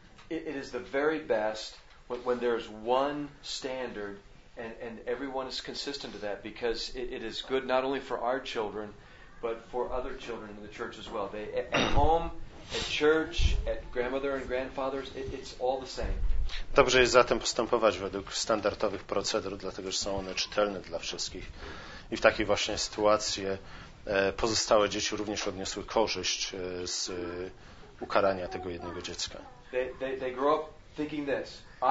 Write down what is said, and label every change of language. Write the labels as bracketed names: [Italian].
[English] It is the very best when there is one standard and everyone is consistent to that, because it is good not only for our children but for other children in the church as well. They at home, at church, at grandmother and grandfather's, it's all the same. [Polish] Dobrze jest zatem postępować według standardowych procedur, dlatego że są one czytelne dla wszystkich. I w takiej właśnie sytuacji pozostałe dzieci również odniosły korzyść z ukarania tego jednego dziecka. [English] They grow up thinking this.